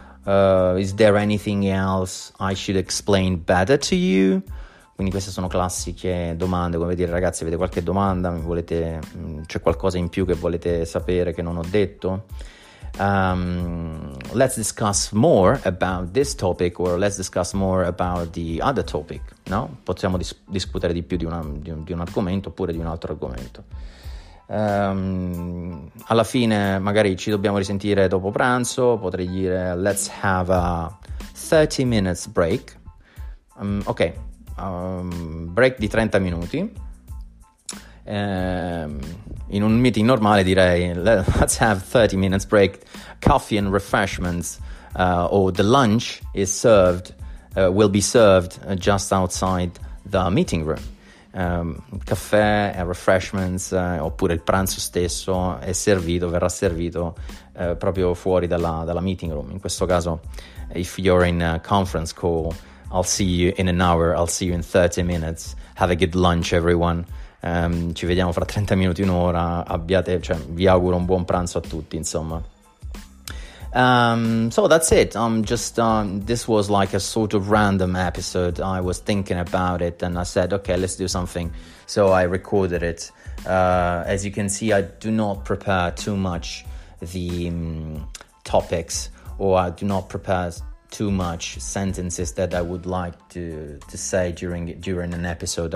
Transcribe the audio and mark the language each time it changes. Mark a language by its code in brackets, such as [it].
[en] Is there anything else I should explain better to you? [it] Quindi queste sono classiche domande, come dire: ragazzi, avete qualche domanda? C'è qualcosa in più che volete sapere che non ho detto? [en] Let's discuss more about this topic, or let's discuss more about the other topic, no? [it] Possiamo discutere di più di un argomento oppure di un altro argomento. Alla fine magari ci dobbiamo risentire dopo pranzo, potrei dire [en] let's have a 30 minutes break. [it] Break di 30 minuti. In un meeting normale direi [en] let's have 30 minutes break, coffee and refreshments, or the lunch is served, will be served just outside the meeting room. [it] Caffè e refreshments, oppure il pranzo stesso verrà servito proprio fuori dalla meeting room. In questo caso, [en] if you're in a conference call, I'll see you in an hour, I'll see you in 30 minutes, have a good lunch everyone. [it] Ci vediamo fra 30 minuti, un'ora, vi auguro un buon pranzo a tutti, insomma. [en] So that's it. I'm just this was like a sort of random episode. I was thinking about it and I said okay, let's do something, so I recorded it. As you can see, I do not prepare too much the topics, or I do not prepare too much sentences that I would like to say during an episode.